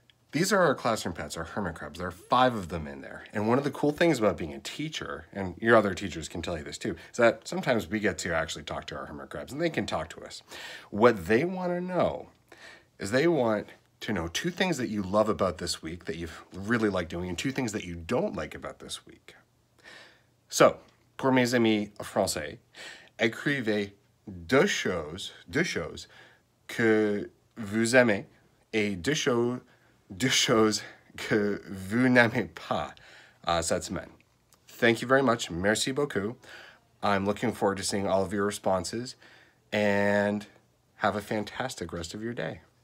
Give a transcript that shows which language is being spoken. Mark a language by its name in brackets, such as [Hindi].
[English] These are our classroom pets, our hermit crabs. There are 5 of them in there. And one of the cool things about being a teacher, and your other teachers can tell you this too, is that sometimes we get to actually talk to our hermit crabs and they can talk to us. What they want to know is they want to know 2 things that you love about this week that you've really liked doing and 2 things that you don't like about this week. [French] So, pour mes amis français, écrivez deux choses que vous aimez et deux choses que vous n'aimez pas cette semaine. [English] Thank you very much. [French] Merci beaucoup. [English] I'm looking forward to seeing all of your responses and have a fantastic rest of your day.